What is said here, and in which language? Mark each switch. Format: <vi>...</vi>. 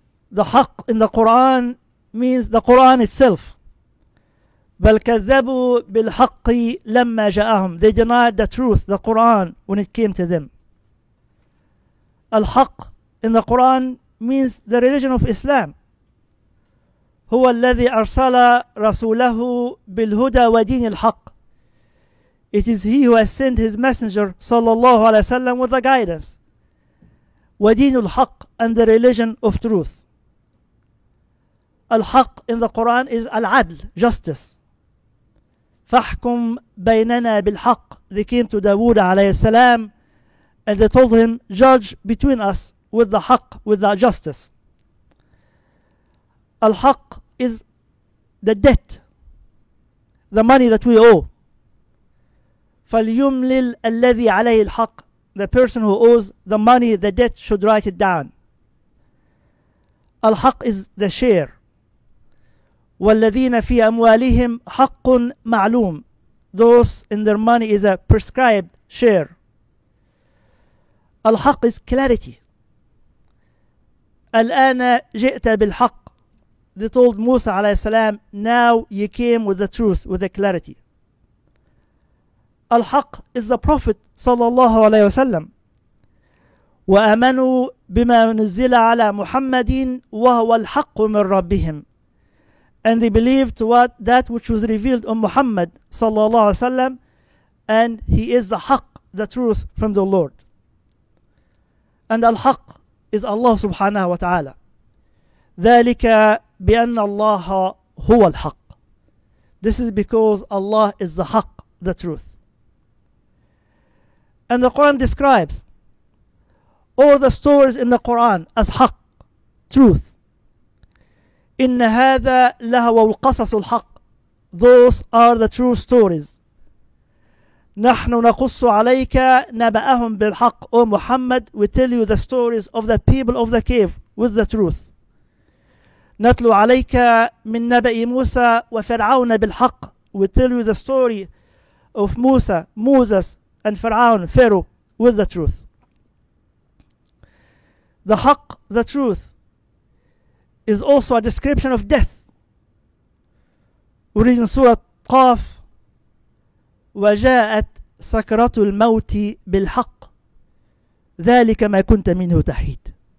<en>The Haqq in the Quran means the Quran itself.</en> <ar>بَلْ كَذَّبُوا بِالْحَقِّ لَمَّا جَاءَهُمْ.</ar> <en>They denied the truth, the Quran, when it came to them. Al-Haqq in the Quran means the religion of Islam.</en> <ar>هو الذي أرسل رسوله بالهدى ودين الحق.</ar> <en>It is he who has sent his messenger, صلى الله عليه وسلم, with the guidance.</en> <ar>ودين الحق,</ar> <en>and the religion of truth. الحق in the Quran is العدل, justice.</en> <ar>فحكم بيننا بالحق.</ar> <en>They came to Dawood عليه السلام, and they told him, judge between us with the حق, with the justice. الحق is the debt, the money that we owe.</en> <ar>فليملل الذي عليه الحق.</ar> <en>The person who owes the money, the debt, should write it down. الحق is the share.</en> <ar>والذين في أموالهم حق معلوم.</ar> <en>Those in their money is a prescribed share.</en> <ar>الحق</ar> <en>is clarity.</en> <ar>الآن جئت بالحق.</ar> <en>They told Musa عليه السلام, now you came with the truth, with the clarity. الحق is the prophet صلى الله عليه وسلم.</en> <ar>وآمنوا بما نزل على محمد وهو الحق من ربهم.</ar> <en>And they believed what that which was revealed on Muhammad sallallahu alaihi wasallam, and he is the haqq, the truth from the Lord. And al-haqq is Allah subhanahu wa ta'ala.</en> <ar>Dhalika bi anna Allah huwa al-haqq.</ar> <en>This is because Allah is the haqq, the truth. And the Quran describes all the stories in the Quran as haqq, truth.</en> <ar>إن هذا لهو القصص الحق.</ar> <en>Those are the true stories.</en> <ar>نحن نقص عليك نبأهم بالحق.</ar> <en>O Muhammad, we tell you the stories of the people of the cave with the truth.</en> <ar>نتلو عليك من نبأ موسى وفرعون بالحق.</ar> <en>We tell you the story of Musa, Moses, and فرعون, Pharaoh, with the truth. The حق, the truth, is also a description of death. We read in Surah Qaf,</en> <ar>وَجَاءَتْ سَكْرَةُ الْمَوْتِ بِالْحَقِّ ذَلِكَ مَا كُنْتَ مِنْهُ تَحِيدُ.</ar>